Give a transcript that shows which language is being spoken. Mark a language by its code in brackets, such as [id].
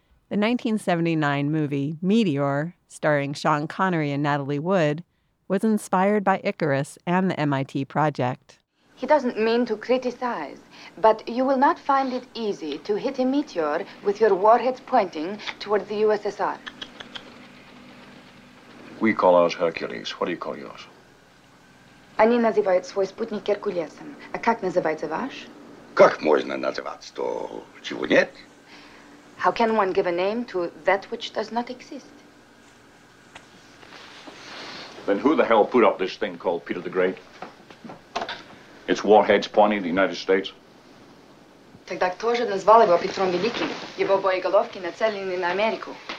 [en] The 1979 movie Meteor, starring Sean Connery and Natalie Wood, was inspired by Icarus and the MIT project. He doesn't mean to criticize, but you will not find it easy to hit a meteor with your warheads pointing toward the USSR. We call ours Hercules. What do you call yours? [ru] Они называют свой спутник Геркулесом. А как называется ваш? Как можно называть то, чего нет? [en] How can one give a name to that which does not exist? Then who the hell put up this thing called Peter the Great? It's warheads pointing the United States. [ru] Тогда кто же назвал его Петром Великим? Его боеголовки нацелены на Америку.